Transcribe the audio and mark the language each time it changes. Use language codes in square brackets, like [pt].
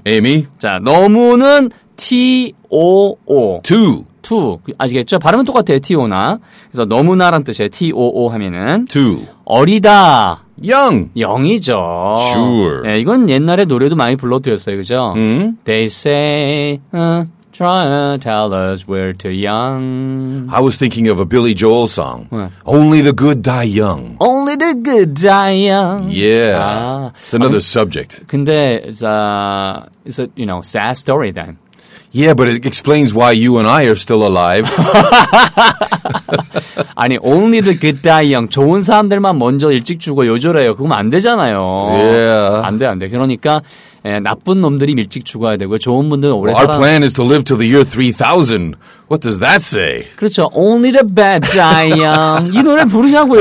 [ko] 에이미. 자, 너무는 T-O-O. [en] 2. [ko] 2. 아시겠죠? 발음은 똑같아요, T-O나. 그래서 너무나란 뜻이에요, T-O-O 하면은. [en] 2. [ko] 어리다. [en] Young. [ko] Young이죠. [en] Sure. [ko] 네, 이건 옛날에 노래도 많이 불러드렸어요. 그죠? [en] They say, try to tell us we're too young. I was thinking of a Billy Joel song. 네. Only the good die young. Only the good die young. Yeah. 아, it's another subject. [ko] 근데 [en] it's a, you know, sad story then. Yeah, but it explains why you and I are still alive. [ko] 아니, [en] only the good die young. [ko] 좋은 사람들만 먼저 일찍 죽어 요절해요. 그건 안 되잖아요. Yeah. 안 돼, 안 돼. 그러니까 예, 나쁜 놈들이 일찍 죽어야 되고 좋은 분들은 오래 살아. [en] Our plan is to live till the year 3000. What does that say? [ko] 그렇죠. [en] Only the bad die young. [ko] 이 노래 부르냐고요.